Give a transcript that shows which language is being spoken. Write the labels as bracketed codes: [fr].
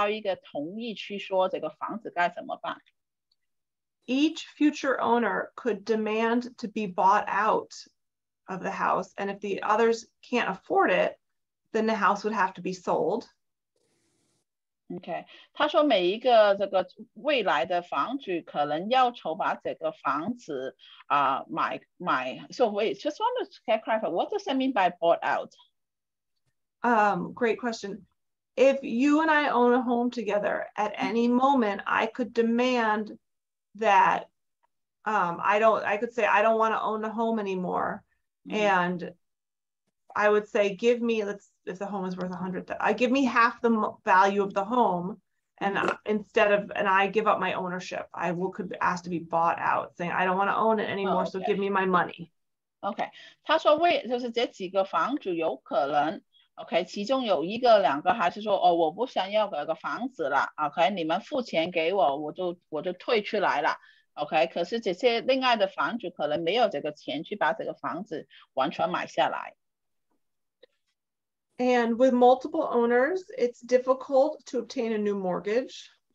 [zh] 未来的这些房主有可能他们几个没办法达到一个同意去说这个房子该怎么办。 [en] Each future owner could demand to be bought out of the house, and if the others can't afford it, then the house would have to be sold. [zh] Okay, 他说每一个这个未来的房主可能要筹把这个房子买，所以 [en] just want to clarify, what does that mean by bought out? Great question. If you and I own a home together, at any moment I could demand that I could say I don't want to own the home anymore, and I would say give me, let's, if the home is worth $100,000, give me half the value of the home, and I give up my ownership. I will could ask to be bought out, saying I don't want to own it anymore. Oh, okay. So give me my money. [zh] Okay, 他说为就是这几个房主有可能 OK， 其中有一个两个还是说哦我不想要个房子了，OK，你们付钱给我，我就退出来了，OK， 可是这些另外的房主可能没有这个钱去把这个房子完全买下来。 [en] And with multiple owners, it's difficult to obtain a new mortgage.